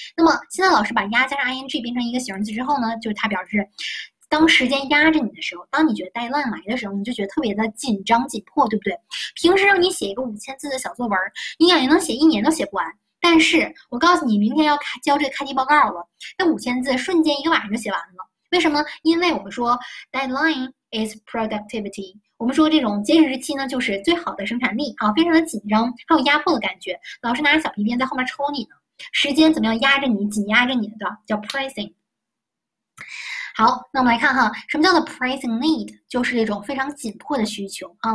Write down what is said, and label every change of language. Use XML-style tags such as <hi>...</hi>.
<zh>那么现在老师把压加上 ing 变成一个形容词之后呢，就是它表示当时间压着你的时候，当你觉得带烂来的时候，你就觉得特别的紧张紧迫，对不对？平时让你写一个5000字的小作文，你感觉能写一年都写不完。但是我告诉你，明天要交这个开题报告了，那5000字瞬间一个晚上就写完了。为什么？</zh> <en>因为我们说 deadline is productivity。</en> <zh>我们说这种截止日期呢，就是最好的生产力啊，非常的紧张，还有压迫的感觉，老师拿着小皮鞭在后面抽你呢。时间怎么样压着你，紧压着你的，叫 pricing。好，那我们来看哈，什么叫做 pressing need， 就是这种非常紧迫的需求啊。</zh>